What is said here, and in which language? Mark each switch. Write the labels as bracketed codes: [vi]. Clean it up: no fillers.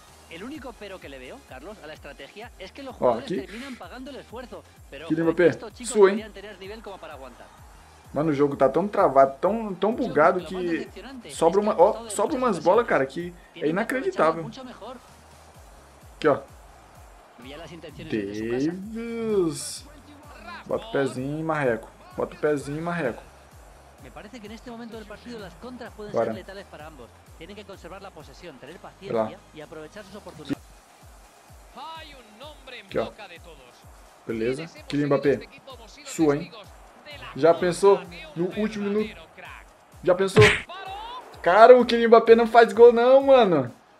[es] El único pero que le veo, Carlos, a la estrategia es que los jugadores terminan pagando el esfuerzo, pero que joder, estos chicos deberían tener nivel como para aguantar. [pt] Mano, o jogo tá tão travado, tão bugado que sobra uma, ó, sobra umas bolas, cara, que é inacreditável. Aqui, ó. Davis. Bota o pezinho, Marreco. Bota o pezinho, Marreco. [es] Me parece que en este momento del partido las contras pueden ser letales para ambos. Tienen que conservar la posesión, tener paciencia y aprovechar sus oportunidades. Hay un nombre en boca de todos. [pt] Beleza. Kylian Mbappé. Sua, hein? Já pensou no último minuto? Já pensou? Cara, o Kylian Mbappé não faz gol não, mano.